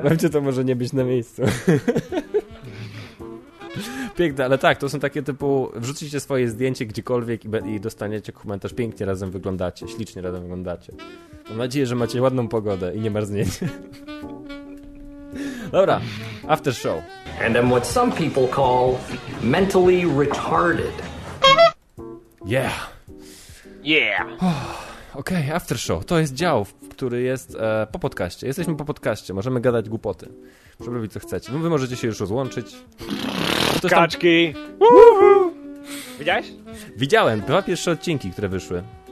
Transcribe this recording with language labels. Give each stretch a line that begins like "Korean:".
Polish: Babcia to może nie być na miejscu. Piękne, ale tak, to są takie typu, wrzucicie swoje zdjęcie gdziekolwiek i dostaniecie komentarz, pięknie razem wyglądacie, ślicznie razem wyglądacie. Mam nadzieję, że macie ładną pogodę i nie marzniecie. Dobra, after show.
English: And I'm what some people call mentally retarded. Yeah. Yeah. Oh,
Polish: okej, okay, after show, to jest dział, który jest po podcaście. Jesteśmy po podcaście, możemy gadać głupoty. Żeby robić co chcecie. Wy możecie się już rozłączyć. Kaczki! Uhu. Widziałeś? Widziałem. Dwa pierwsze odcinki, które wyszły.